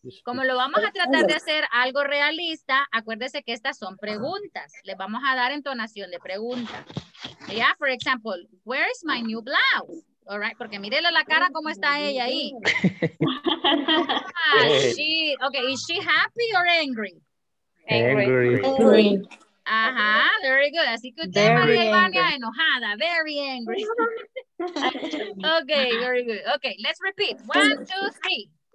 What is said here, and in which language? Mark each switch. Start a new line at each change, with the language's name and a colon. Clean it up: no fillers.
Spanish: Como lo vamos a tratar de hacer algo realista, acuérdese que estas son preguntas. Les vamos a dar entonación de pregunta.
English: Yeah, for example, where is my new blouse? All right,
Spanish: porque mírele la cara cómo está ella ahí.
English: Okay, is she happy or angry? Angry.
Spanish: Ajá,
English: very good.
Spanish: Así que usted, María Ivania, enojada.
English: Very angry. Okay, very good. Okay, let's repeat. 1, 2, 3.